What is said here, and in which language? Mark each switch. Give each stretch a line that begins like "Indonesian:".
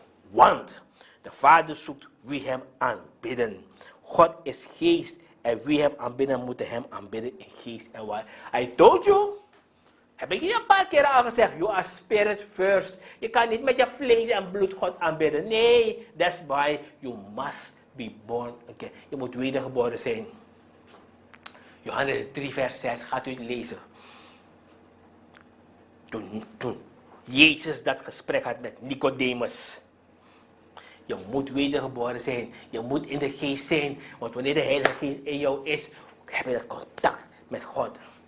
Dutch: Want de Vader zoekt wie hem aanbidden. God is geest. En wie hem aanbidden, moeten hem aanbidden in geest en waarheid.
English: I told you.
Dutch: Heb ik je een paar keer al gezegd,
English: you are spirit first.
Dutch: Je kan niet met je vlees en bloed God aanbidden. Nee,
English: that's why you must be born again.
Dutch: Je moet wedergeboren zijn. Johannes 3 vers 6, gaat u het lezen. Toen Jezus dat gesprek had met Nicodemus. Je moet wedergeboren zijn. Je moet in de geest zijn. Want wanneer de Heilige Geest in jou is, heb je dat contact met God.